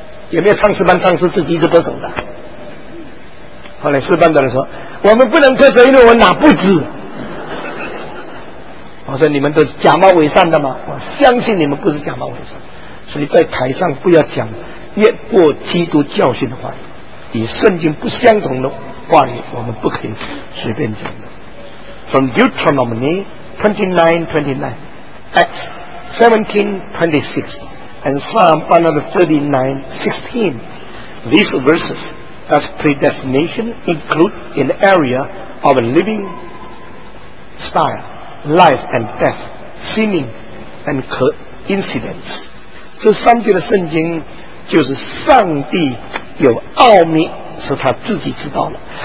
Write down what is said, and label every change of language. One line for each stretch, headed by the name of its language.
Chinese: 有没有唱诗班唱诗自己一直拍手的？后来诗班的人说，我们不能拍手，因为我哪不知。我说你们都是假冒伪善的吗？我相信你们不是假冒伪善。所以在台上不要讲越过基督教训的话，与圣经不相同的话语我们不可以随便讲的。
English: From Deuteronomy 29:29, Acts 17:26 and Psalm 139:16, these verses as predestination include in the area of a living style, life and death, seeming and coincidence.
Chinese: 这三句的圣经就是上帝有奥秘是他自己知道了，